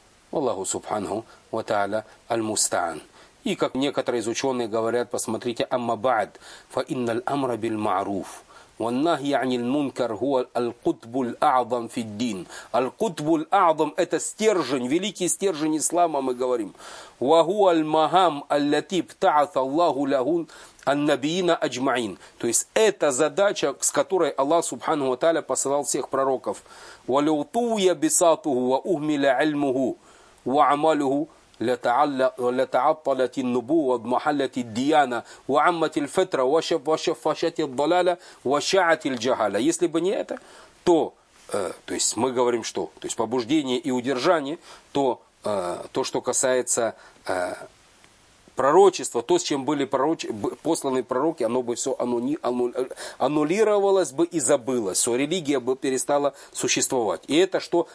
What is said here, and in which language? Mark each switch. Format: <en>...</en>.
<ar>Аллаху субхану тааля аль-мустаан.</ar> <ru>И как некоторые из ученых говорят, посмотрите,</ru> <ar>амма ба'ад, фа иннал амра биль ма'руф. والنهي عن المنكر هو القطب الأعظم في الدين. القطب الأعظم</ar> <ru>– это стержень, великий стержень ислама, мы говорим.</ru> <ar>وهو المهام التي ابتعث الله له النبيين أجمعين.</ar> <ru>То есть это задача, с которой Аллах Субхану ва тааля посылал всех пророков.</ru> <ar>ولو طوي بساطه وأهمل علمه وعمله لتعطلت النبوة ومحلت الديانة وعمت الفترة وشفشت الضلالة وشعت الجهالة.</ar> <ru>Если бы не это, то есть мы говорим, что то есть побуждение и удержание, то что касается пророчества, то, с чем были посланы пророки, оно бы все аннулировалось бы и забылось, все, религия бы перестала существовать. И это что?</ru>